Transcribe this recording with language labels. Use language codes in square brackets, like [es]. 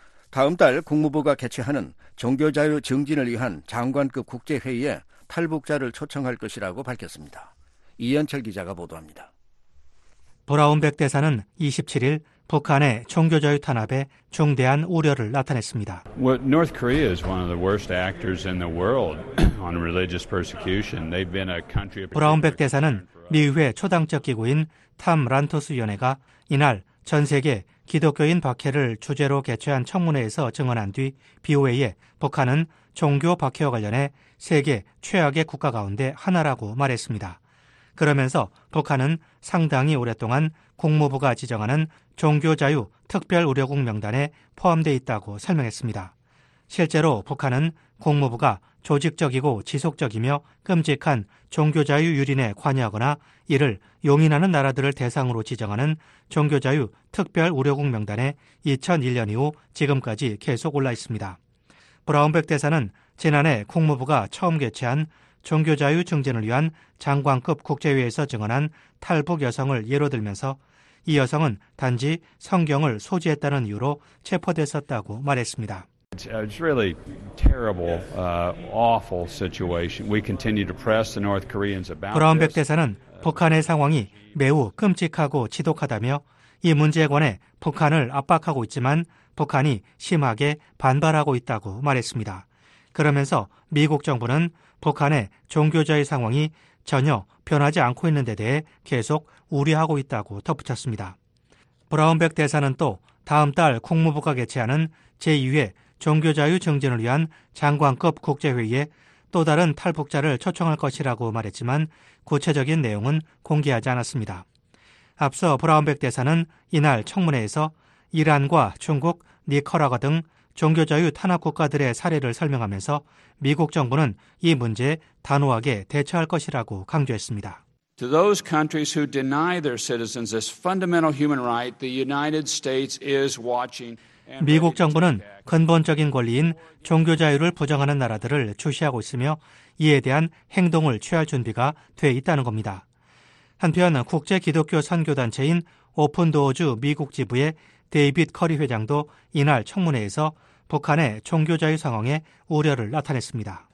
[ko] 다음 달 국무부가 개최하는 종교자유 증진을 위한 장관급 국제회의에 탈북자를 초청할 것이라고 밝혔습니다. 이현철 기자가 보도합니다. 브라운백 대사는 27일 북한의 종교자유 탄압에 중대한 우려를 나타냈습니다. [en] North Korea is one of the worst actors in the world on religious persecution. They've been a country. [ko] 브라운백 대사는 미국의 초당적 기구인 탐 란토스 위원회가 이날 전 세계 기독교인 박해를 주제로 개최한 청문회에서 증언한 뒤 BOA에 북한은 종교 박해와 관련해 세계 최악의 국가 가운데 하나라고 말했습니다. 그러면서 북한은 상당히 오랫동안 국무부가 지정하는 종교자유 특별우려국 명단에 포함되어 있다고 설명했습니다. 실제로 북한은 국무부가 조직적이고 지속적이며 끔찍한 종교자유 유린에 관여하거나 이를 용인하는 나라들을 대상으로 지정하는 종교자유 특별우려국 명단에 2001년 이후 지금까지 계속 올라 있습니다. 브라운백 대사는 지난해 국무부가 처음 개최한 종교자유 증진을 위한 장관급 국제회의에서 증언한 탈북 여성을 예로 들면서 이 여성은 단지 성경을 소지했다는 이유로 체포됐었다고 말했습니다. [en] It's really terrible, awful situation. We continue to press the North Koreans about this. [ko] 브라운백 대사는 북한의 상황이 매우 끔찍하고 지독하다며 이 문제에 관해 북한을 압박하고 있지만 북한이 심하게 반발하고 있다고 말했습니다. 그러면서 미국 정부는 북한의 종교자의 상황이 전혀 변하지 않고 있는 데 대해 계속 우려하고 있다고 덧붙였습니다. 브라운백 대사는 또 다음 달 국무부가 개최하는 제2회 종교자유 증진을 위한 장관급 국제회의에 또 다른 탈북자를 초청할 것이라고 말했지만 구체적인 내용은 공개하지 않았습니다. 앞서 브라운백 대사는 이날 청문회에서 이란과 중국, 니카라과 등 종교자유 탄압 국가들의 사례를 설명하면서 미국 정부는 이 문제에 단호하게 대처할 것이라고 강조했습니다. [en] To those countries who deny their citizens this fundamental human right, the United States is watching. [ko] 미국 정부는 근본적인 권리인 종교 자유를 부정하는 나라들을 주시하고 있으며 이에 대한 행동을 취할 준비가 돼 있다는 겁니다. 한편 국제 기독교 선교단체인 오픈도어즈 미국 지부의 데이빗 커리 회장도 이날 청문회에서 북한의 종교 자유 상황에 우려를 나타냈습니다.